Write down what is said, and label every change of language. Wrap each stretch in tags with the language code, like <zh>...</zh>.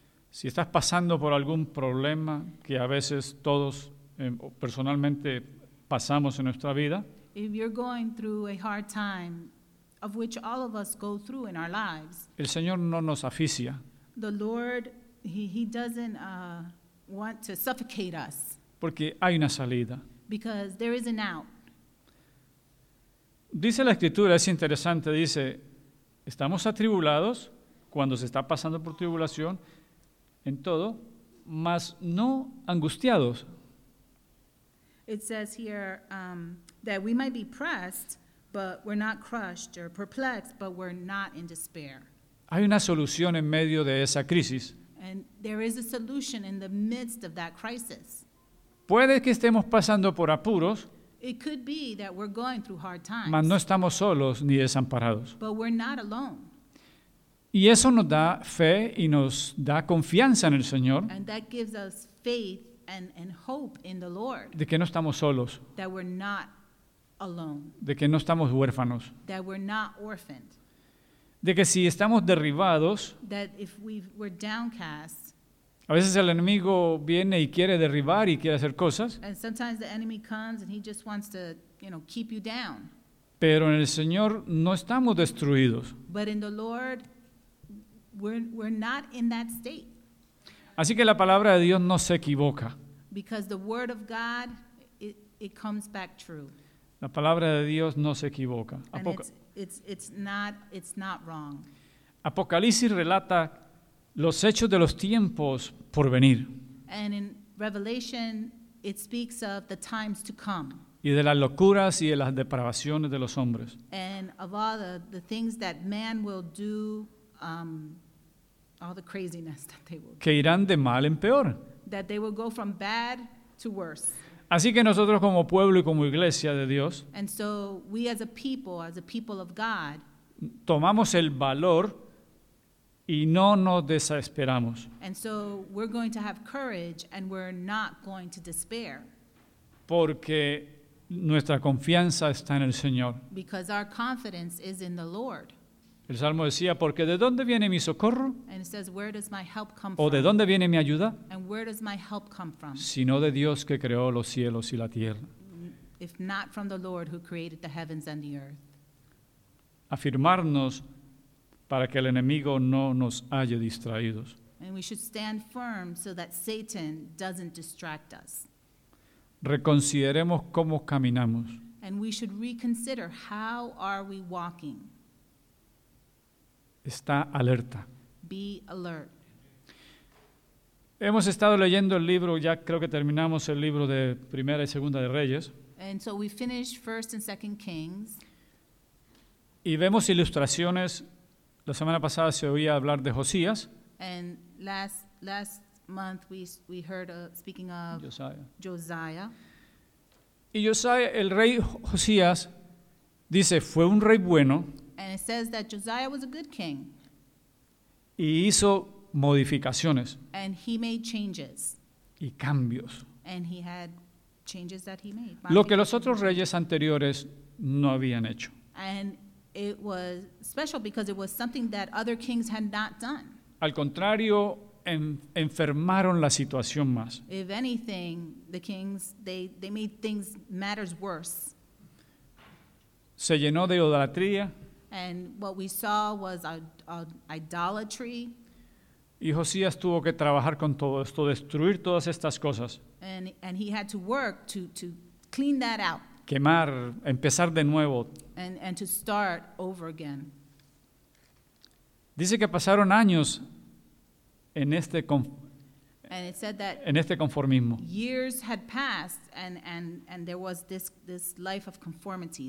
<es>Si estás pasando por algún problema que a veces todos personalmente pasamos en nuestra vida.</es> <en>If you're going through a hard time, of which all of us go through in our lives.</en> <es>El Señor no nos asfixia.</es> <en>The Lord, he doesn't want to suffocate us.</en> <es>Porque hay una salida.</es> <en>Because there is an out.</en> <es>Dice la Escritura, es interesante, dice, estamos atribulados cuando se está pasando por tribulación en todo, mas no angustiados.</es> <en>It says here that we might be pressed, but we're not crushed or perplexed, but we're not in despair.</en> <es>Hay una solución en medio de esa crisis.</es> <en>And there is a solution in the midst of that crisis.</en> <es>Puede que estemos pasando por apuros.</es> <en>It could be that we're going through hard times.</en> <es>Mas no estamos solos ni desamparados.</es> <en>But we're not alone.</en> <es>Y eso nos da fe y nos da confianza en el Señor.</es> <en>And that gives us faith and hope in the Lord.</en> <es>De que no estamos solos.</es> <en>That we're not alone.</en> <es>De que no estamos huérfanos.</es> <en>That we're not orphaned.</en> <es>De que si estamos derribados.</es> <en>That if we're downcast.</en> <es>A veces el enemigo viene y quiere derribar y quiere hacer cosas.</es> <en>And sometimes the enemy comes and he just wants to, you know, keep you down.</en> <es>Pero en el Señor no estamos destruidos.</es> <en>But in the Lord, we're not in that state.</en> <es>Así que la palabra de Dios no se equivoca.</es> <en>Because the word of God, it comes back true.</en> <es>La palabra de Dios no se equivoca.</es> <en>It's not wrong.</en> <es>Apocalipsis relata los hechos de los tiempos por venir.</es> <en>And in Revelation, it speaks of the times to come.</en> <es>Y de las locuras y de las depravaciones de los hombres.</es> <en>And of all the things that man will do, all the craziness that they will do.</en> <es>Que irán de mal en peor.</es> <en>That they will go from bad to worse.</en> <es>Así que nosotros como pueblo y como iglesia de Dios.</es> <en>And so we as a people, of God.</en> <es>Tomamos el valor y no nos desesperamos.</es> <en>And so we're going to have courage and we're not going to despair.</en> <es>Porque nuestra confianza está en el Señor.</es> <en>Because our confidence is in the Lord.</en> <es>El Salmo decía, porque ¿de dónde viene mi socorro?</es> <en>And it says, where does my help come from?</en> <es>¿O de dónde viene mi ayuda?</es> <en>And where does my help come from?</en> <es>Si no de Dios que creó los cielos y la tierra.</es> <en>If not from the Lord who created the heavens and the earth.</en> <es>Afirmarnos para que el enemigo no nos halle distraídos.</es> <en>And we should stand firm so that Satan doesn't distract us.</en> <es>Reconsideremos cómo caminamos.</es> <en>And we should reconsider how are we walking.</en> <es>Está alerta.</es> <en>Be alert.</en> <es>Hemos estado leyendo el libro, ya creo que terminamos el libro de Primera y Segunda de Reyes.</es> <en>And so we finished First and Second Kings.</en> <es>Y vemos ilustraciones. La semana pasada se oía hablar de Josías.</es> <en>And last month we heard speaking of Josiah.</en> <es>Y Josiah, el rey Josías, dice, fue un rey bueno.</es> <en>And it says that Josiah was a good king.</en> <es>Y hizo modificaciones.</es> <en>And he made changes.</en> <es>Y cambios.</es> <en>And he had changes that he made.</en> <es>Lo que los otros reyes anteriores no habían hecho.</es> <en>And it was special because it was something that other kings had not done.</en> <es>Al contrario, enfermaron la situación más.</es> <en>If anything, the kings, they made things matters worse.</en> <es>Se llenó de idolatría.</es> <en>And what we saw was idolatry.</en> <es>Y Josías tuvo que trabajar con todo esto, destruir todas estas cosas.</es> <en>And he had to work to clean that out.</en> <es>Quemar, empezar de nuevo.</es> <en>And to start over again.</en> <es>Dice que pasaron años en este conformismo.</es> <en>Years had passed and there was this life of conformity.</en>